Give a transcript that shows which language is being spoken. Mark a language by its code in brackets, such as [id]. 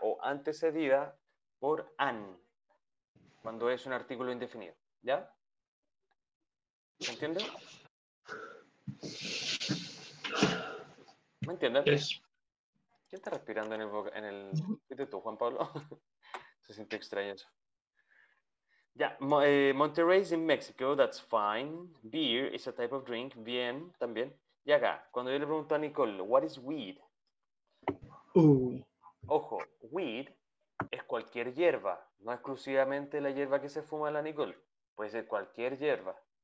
[es] O antecedida por an, cuando es un artículo indefinido, ¿ya? ¿Me entiendes? ¿Me entiendes? [en] Yes. [es] ¿Quién está respirando en el... ¿Viste tú, Juan Pablo? Se siente extraño eso. [en] Ya, Monterrey's in Mexico, that's fine. Beer is a type of drink, [es] bien, también. Y acá, cuando yo le pregunto a Nicole, [en] what is weed? [es] Ojo, weed es cualquier hierba, no exclusivamente la hierba que se fuma la Nicole. Puede ser cualquier hierba.